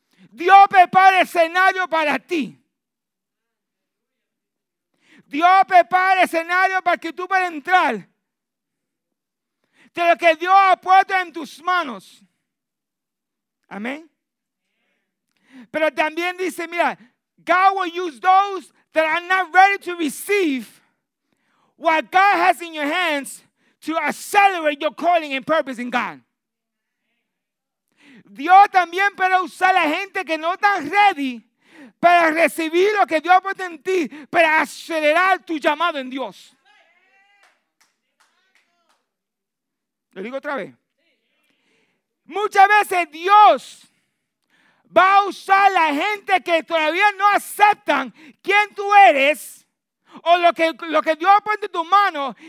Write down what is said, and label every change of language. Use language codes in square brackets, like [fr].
[es] Dios prepara el escenario para ti. Dios prepara el escenario para que tú puedas entrar de lo que Dios ha puesto en tus manos. Amén. [en] Pero también dice, mira, God will use those that are not ready to receive what God has in your hands to accelerate your calling and purpose in God. [es] Dios también puede usar a la gente que no está [en] ready [es] para recibir lo que Dios ha puesto en ti para acelerar tu llamado en Dios. Lo digo otra vez. Muchas veces Dios va a usar a la gente que todavía no aceptan quién tú eres o lo que Dios ha puesto en tu mano.